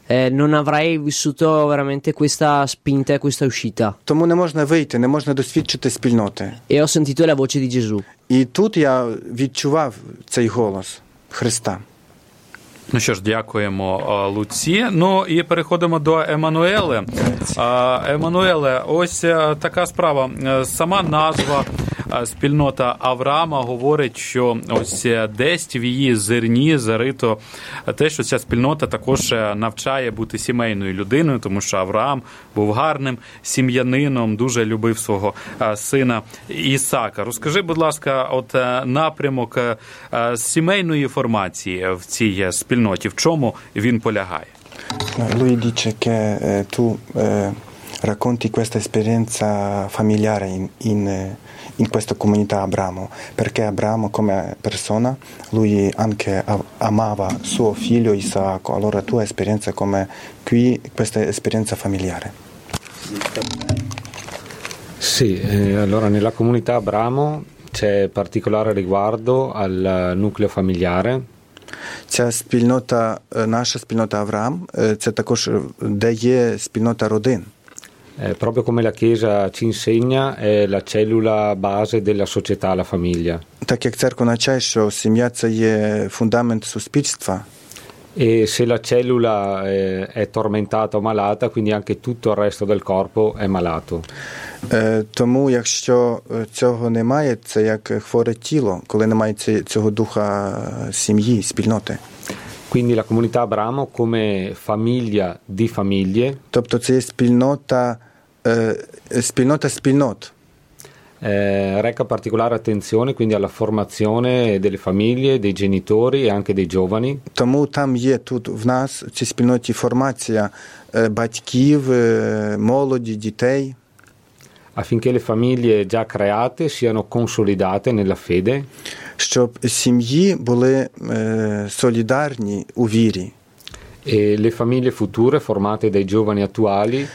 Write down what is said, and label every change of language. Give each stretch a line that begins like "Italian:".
Italian: non avrei vissuto veramente questa spinta e questa uscita.
Ukrainian: Тому не можна вийти, не можна досвідчити спільноти.
Italian: E ho sentito la voce di Gesù.
Ukrainian: І тут я відчував цей голос Христа. Ну що ж, дякуємо, Луці. Ну і переходимо до Еммануеле. Еммануеле, ось така справа. Сама назва спільнота Авраама говорить, що ось десь в її зерні зарито те, що ця спільнота також навчає бути сімейною людиною, тому що Авраам був гарним сім'янином, дуже любив свого сина Ісака. Розкажи, будь ласка, от напрямок сімейної формації в цій спільноті, в чому він полягає?
Italian: Lui dice che tu racconti questa esperienza familiare in questa comunità Abramo, perché Abramo come persona, lui anche amava suo figlio Isacco, allora tua esperienza come qui, questa esperienza familiare. Sì, allora nella comunità Abramo c'è particolare riguardo al nucleo familiare.
Ukrainian: Ця спільнота, наша спільнота Авраам, це також де є спільнота родин.
Italian: Proprio come la Chiesa ci insegna, è la cellula base della società, la famiglia.
Ukrainian: Так як церква навчає, що сім'я – це є фундамент суспільства.
Italian: E se la cellula è tormentata o malata, quindi anche tutto il resto del corpo è malato.
Ukrainian: Тому якщо цього немає, це як хворе тіло, коли немає цього духа сім'ї, спільноти.
Italian: Quindi la comunità Abramo come famiglia di famiglie.
Ukrainian: Тобто це є спільнота, спільнота спільнот.
Italian: Reca particolare attenzione quindi alla formazione delle famiglie, dei genitori e anche dei giovani.
Ukrainian: Тому там є тут в нас, в цій спільноті, формація батьків, молоді, дітей.
Italian: Affinché le famiglie già create siano consolidate nella fede.
Ukrainian: Щоб сім'ї були солідарні у вірі.
Italian: E le famiglie future formate dai giovani attuali.